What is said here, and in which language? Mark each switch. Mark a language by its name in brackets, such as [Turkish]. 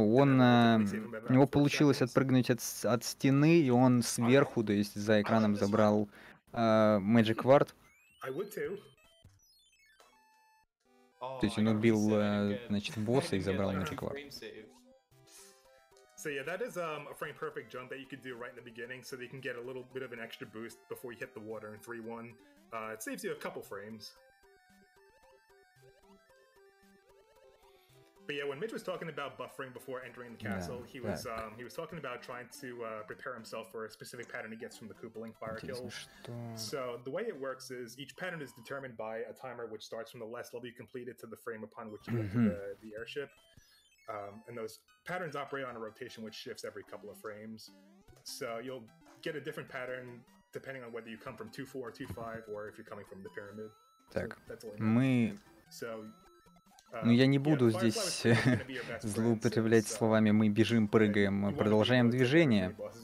[Russian] У него получилось отпрыгнуть от стены, и он сверху, то есть за экраном, забрал Magic Ward. То есть он убил, значит, босса и забрал Magic Ward. [English] So yeah, that is a frame perfect jump that you could do right in the beginning so that you can get a little bit of an extra boost before you hit the water in 3-1. It saves you a couple frames. But yeah, when Mitch was talking about buffering before entering the castle, yeah, he was talking about trying to prepare himself for a specific pattern he gets from the Koopaling fire kill. So the way it works is each pattern is determined by a timer which starts from the last level you completed to the frame upon which you enter the airship. And those patterns operate on a rotation which shifts every couple of frames. So you'll get a different pattern depending on whether you come from 2-4 or 2-5 or if you're coming from the pyramid. [Russian] Так, [English] so that's all So... [Russian] Ну, я не буду здесь злоупотреблять словами «мы бежим, прыгаем, мы продолжаем движение».